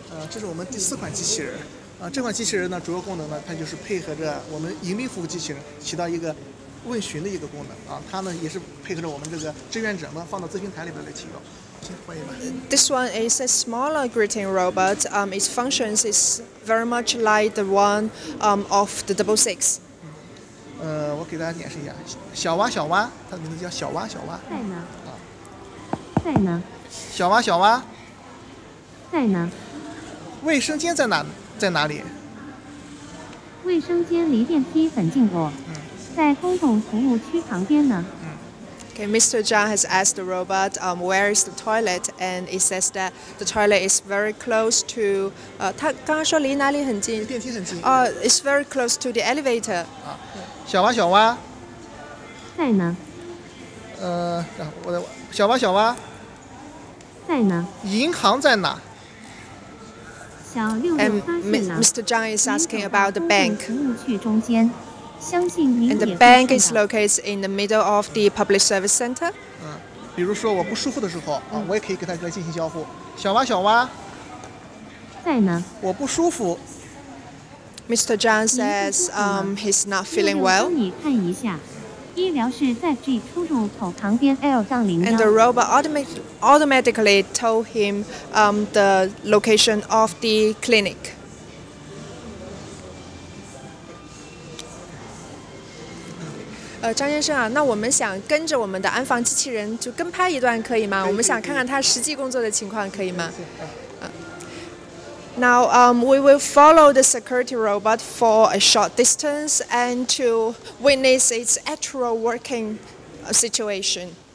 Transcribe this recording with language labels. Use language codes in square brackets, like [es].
[zh] 这是我们第四款机器人。这款机器人呢，主要功能呢，它就是配合着我们迎宾服务机器人，起到一个问询的一个功能啊。它呢也是配合着我们这个志愿者呢，放到咨询台里边来提供。 [en] This one is a smaller greeting robot. Its functions is very much like the one of the double six. [zh] 我给大家演示一下，小蛙小蛙，它的名字叫小蛙小蛙。在呢。在呢。小蛙小蛙。在呢。卫生间在哪？在哪里？卫生间离电梯很近哦。在公共服务区旁边呢。 [en] Okay, Mr. Zhang has asked the robot, where is the toilet? And it says that the toilet is very close to, [zh] 他刚刚说离哪里很近？电梯很近。 [en] It's very close to the elevator. [zh] 小蛙小蛙。在呢。我的小蛙小蛙。在呢。银行在哪？小六六八在哪？ [en] Mr. Zhang is asking about the bank. [zh] 公共区域中间。 [en] And the bank is located in the middle of the public service center. [zh] 比如说我不舒服的时候，我也可以跟他来进行交互。小蛙，小蛙，在呢。我不舒服。 [en] Mr. John says, he's not feeling well. [zh] 你看一下，医疗室在 G 出入口旁边 L 杠零幺。 [en] And the robot automatically told him, the location of the clinic. [zh] 张先生啊，那我们想跟着我们的安防机器人就跟拍一段可以吗？我们想看看他实际工作的情况可以吗？ [en] Now, we will follow the security robot for a short distance and to witness its actual working situation.